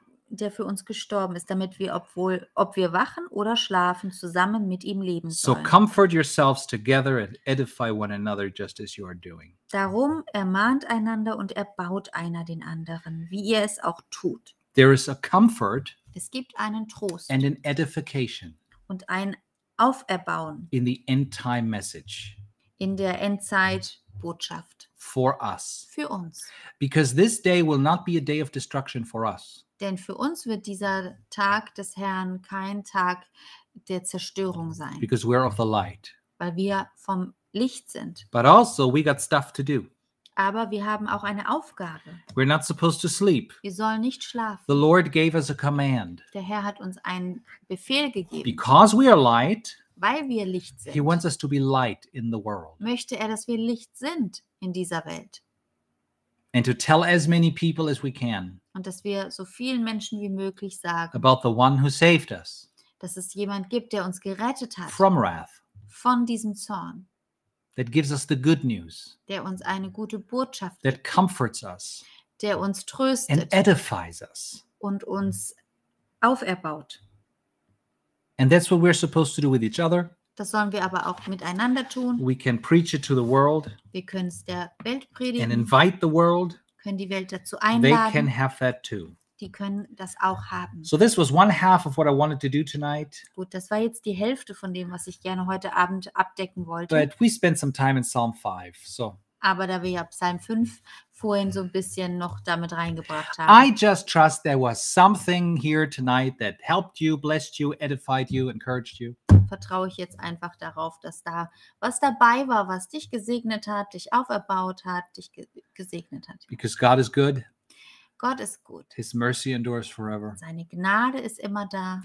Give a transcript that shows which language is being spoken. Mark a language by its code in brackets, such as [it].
[de] Der für uns gestorben ist, damit wir, ob wir wachen oder schlafen, zusammen mit ihm leben sollen. [en] So comfort yourselves together and edify one another just as you are doing. [de] Darum ermahnt einander und erbaut einer den anderen, wie ihr es auch tut. [en] There is a comfort. [de] Es gibt einen Trost. [en] And an edification. [de] Und ein Auferbauen. [en] In the end time message. [de] In der Endzeit. Botschaft. [en] For us. [de] Für uns. [en] Because this day will not be a day of destruction for us. [de] Denn für uns wird dieser Tag des Herrn kein Tag der Zerstörung sein. [en] Because we're of the light. [de] Weil wir vom Licht sind. [en] But also we got stuff to do. [de] Aber wir haben auch eine Aufgabe. [en] We're not supposed to sleep. [de] Wir sollen nicht schlafen. [en] The Lord gave us a command. [de] Der Herr hat uns einen Befehl gegeben. [en] Because we are light. [de] Weil wir Licht sind. [en] He wants us to be light in the world. [de] Möchte er, dass wir Licht sind in dieser Welt. [en] And to tell as many people as we can. [de] Und dass wir so vielen Menschen wie möglich sagen. [en] About the one who saved us. [de] Dass es jemand gibt, der uns gerettet hat. [en] From wrath. [de] Von diesem Zorn. [en] That gives us the good news. [de] Der uns eine gute Botschaft. [en] That comforts us. [de] Der uns tröstet. [en] And edifies us. [de] Und uns auferbaut. [en] And that's what we're supposed to do with each other. [de] Das sollen wir aber auch miteinander tun. [en] We can preach it to the world. [de] Wir können es der Welt predigen. [en] And invite the world. [de] Können die Welt dazu einladen. [en] They can have that too. [de] Die können das auch haben. [en] So this was one half of what I wanted to do tonight. [de] Gut, das war jetzt die Hälfte von dem, was ich gerne heute Abend abdecken wollte. [en] But we spent some time in Psalm 5, so. [de] Aber da wir ja Psalm 5 vorhin so ein bisschen noch damit reingebracht haben. [en] I just trust there was something here tonight that helped you, blessed you, edified you, encouraged you. [de] Vertraue ich jetzt einfach darauf, dass da was dabei war, was dich gesegnet hat, dich auferbaut hat, dich gesegnet hat. [en] Because God is good. [de] Gott ist gut. [en] His mercy endures forever. [de] Seine Gnade ist immer da.